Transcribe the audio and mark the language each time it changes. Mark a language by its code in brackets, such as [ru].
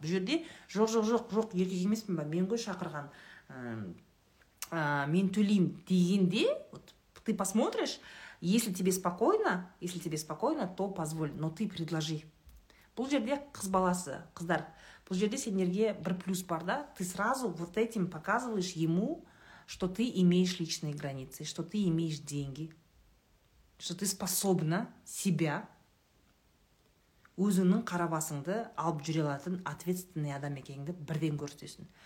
[kk] Бұл жерде жоқ, еркек емеспін ба, мен ғой шақырған. Мен төлеймін дегенде, [ru] вот ты посмотришь, если тебе спокойно, то позволь, но ты предложи. [kk] Бұл жерде қыз баласы, қыздар, бұл жерде сендерге бір плюс бар, да? [ru] Ты сразу вот этим показываешь ему, что ты имеешь личные границы, что ты имеешь деньги, что ты способна себя, [kk] өзіңнің қара басыңды алып жүре алатын ответственный адам екеніңді бірден көрсетесің.